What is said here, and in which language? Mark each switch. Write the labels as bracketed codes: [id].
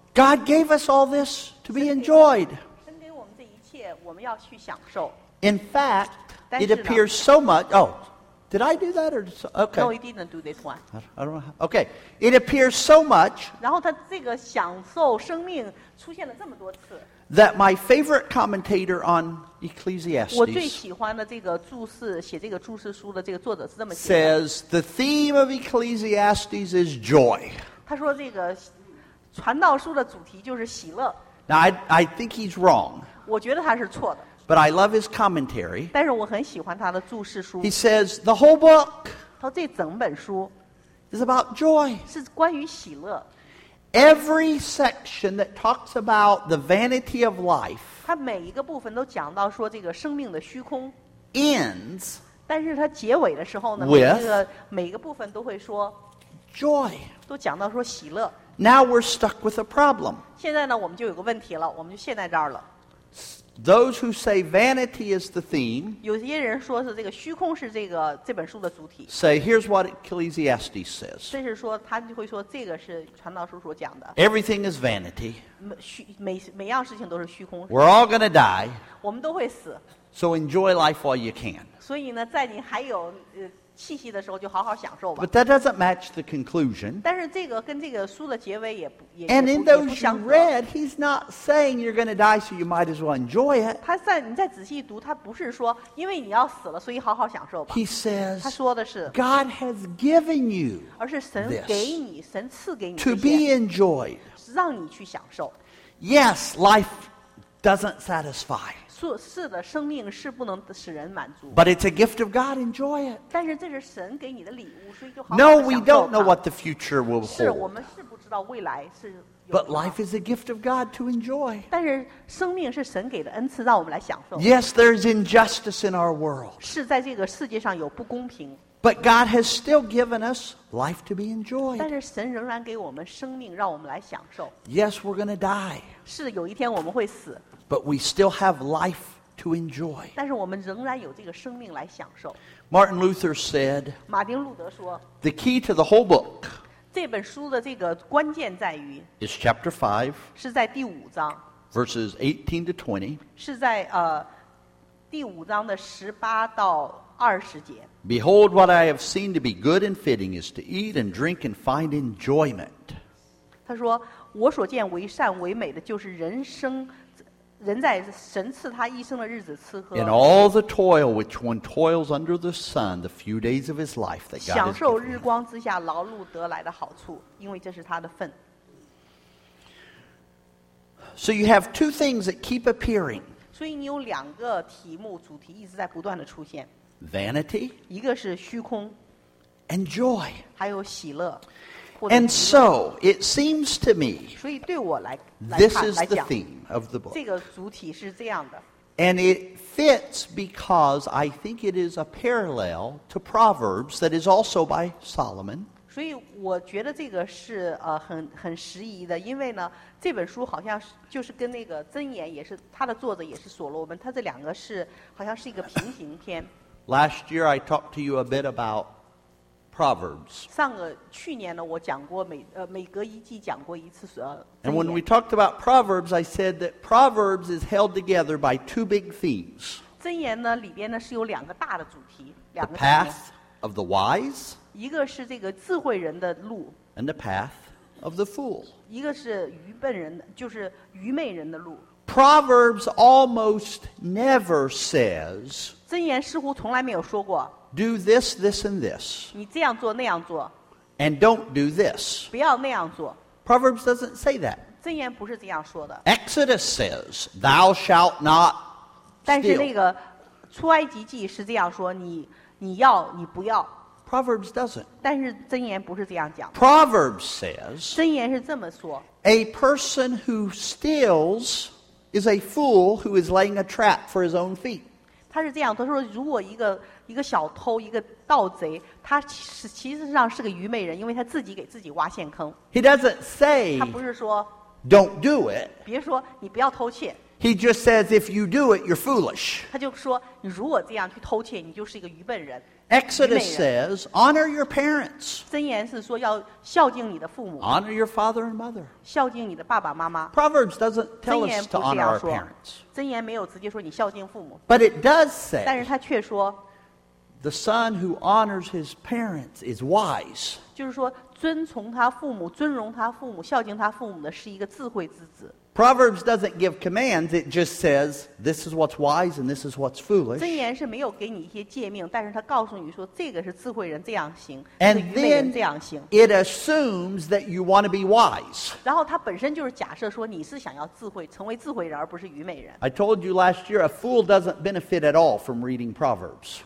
[en] God gave us all this to be enjoyed. [zh] 神给我们这一切，我们要去享受。 [en] In fact, it appears so much. Oh. Did I do that or okay? No, he didn't do this one. I don't know. Okay, it appears so much. [zh] 然后他这个享受生命出现了这么多次。 [en] That my favorite commentator on Ecclesiastes. [zh] 我最喜欢的这个注释写这个注释书的这个作者是这么写的。 [en] Says the theme of Ecclesiastes is joy. [zh] 他说这个传道书的主题就是喜乐。 [en] Now I think he's wrong. [zh] 我觉得他是错的。 [en] But I love his commentary. [zh] 但是我很喜欢他的注释书。 [en] He says the whole book. [zh] 他这整本书 [en] is about joy. [zh] 是关于喜乐。 [en] Every section that talks about the vanity of life. [zh] 他每一个部分都讲到说这个生命的虚空。 [en] Ends. [zh] 但是他结尾的时候呢， [en] with [zh] 每一个部分都会说 [en] joy. [zh] 都讲到说喜乐。 [en] Now we're stuck with a problem. [zh] 现在呢，我们就有个问题了，我们就陷在这儿了。 [en] Those who say vanity is the theme, [zh] 有些人说是这个虚空是这本书的主体。 [en] Say here's what Ecclesiastes says. [zh] 这是说他就会说这个是传道书所讲的。 [en] Everything is vanity. [zh] 每样事情都是虚空。 [en] We're all going to die. [zh] 我们都会死。 [en] So enjoy life while you can. [zh] 所以呢，在你还有气息的时候，就好好享受吧。 [en] But that doesn't match the conclusion. [zh] 但是这个跟这个书的结尾也不也 [en] And in those you read, he's not saying you're going to die, so you might as well enjoy it. [zh] 你再仔细读，他不是说因为你要死了，所以好好享受吧。 [en] He says, [zh] 他说的是 [en] God has given you, [zh] 而是神给你，神赐给你 [en] to be enjoyed, [zh] 让你去享受。 [en] Yes, life doesn't satisfy. [zh] 是的，生命是不能使人满足。 [en] But it's a gift of God. Enjoy it. [zh] 但是这是神给你的礼物，所以就好好享受它。 [en] No, we don't know what the future will hold. [zh] 是我们是不知道未来是有什么。 [en] But life is a gift of God to enjoy. [zh] 但是生命是神给的恩赐，让我们来享受。 [en] Yes, there is injustice in our world. [zh] 是在这个世界上有不公平。 [en] But God has still given us life to be enjoyed. [zh] 但是神仍然给我们生命，让我们来享受。 [en] Yes, we're going to die. [zh] 是有一天我们会死。 [en] But we still have life to enjoy. [zh] 但是我们仍然有这个生命来享受。 [en] Martin Luther said, [zh] 马丁路德说, [en] the key to the whole book [zh] 这本书的这个关键在于 [en] is chapter 5, [zh] 是在第五章 [en] verses 18 to 20, [zh] 是在第五章的十八到二十节。 [en] Behold, what I have seen to be good and fitting is to eat and drink and find enjoyment. [zh] 他说，我所见为善为美的就是人生，人在神赐他一生的日子吃喝。 [en] In all the toil which one toils under the sun, the few days of his life that God has given him. [zh] 享受日光之下劳碌得来的好处，因为这是他的份。 [en] So you have two things that keep appearing. [zh] 所以你有两个题目，主题一直在不断的出现。 [en] Vanity， [zh] 一个是虚空。 [en] And joy， [zh] 还有喜乐。 [en] And so it seems to me， [zh] 所以对我来 [en] ，this is the theme of the book。 [zh] 这个主题是这样的。 [en] And it fits because I think it is a parallel to Proverbs that is also by Solomon。 [zh] 所以我觉得这个是很适宜的，因为呢。这本书好像就是跟那个箴言也是它的作者也是所罗门，它这两个是好像是一个平行篇。 [en] Last year I talked to you a bit about Proverbs. [zh] 上个去年呢，我讲过每隔一季讲过一次箴言。 [en] And when we talked about Proverbs, I said that Proverbs is held together by two big themes. [zh] 箴言呢里边呢是有两个大的主题，两个。 [en] The path of the wise. [zh] 一个是这个智慧人的路。 [en] And the path. Of the fool. [zh] 一个是愚笨人，就是愚昧人的路。 [en] Proverbs almost never says. [zh] 箴言似乎从来没有说过。 [en] Do this, this, and this. [zh] 你这样做，那样做。 [en] And don't do this. [zh] 不要那样做。 [en] Proverbs doesn't say that. [zh] 箴言不是这样说的。 [en] Exodus says, "Thou shalt not steal." [zh] 但是那个出埃及记是这样说，你要，你不要。 [en] Proverbs doesn't. [zh] 但是箴言不是这样讲的。 [en] Proverbs says. [zh] 箴言是这么说。 [en] A person who steals is a fool who is laying a trap for his own feet. [zh] 他是这样，他说如果一个小偷，一个盗贼，他其实上是个愚昧人，因为他自己给自己挖陷坑。 [en] He doesn't say. [zh] 他不是说。 [en] Don't do it. [zh] 别说你不要偷窃。 [en] He just says if you do it, you're foolish. [zh] 他就说你如果这样去偷窃，你就是一个愚笨人。 [en] Exodus says, honor your parents. [zh] 箴言是说要孝敬你的父母。 [en] Honor your father and mother. [zh] 孝敬你的爸爸妈妈。 [en] Proverbs doesn't tell us to honor our parents. [zh] 箴言没有直接说你孝敬父母。 [en] But it does say, [zh] 但是他却说, [en] the son who honors his parents is wise. [zh] 就是说尊从他父母，尊荣他父母，孝敬他父母的是一个智慧之子。 [en] Proverbs doesn't give commands, it just says, this is what's wise and this is what's foolish. [zh] 箴言是没有给你一些诫命，但是他告诉你说这个是智慧人这样行， [en] And then [zh] 这样行。 [en] It assumes that you want to be wise. [zh] 然后他本身就是假设说你是想要智慧，成为智慧人而不是愚昧人。 [en] I told you last year, a fool doesn't benefit at all from reading Proverbs.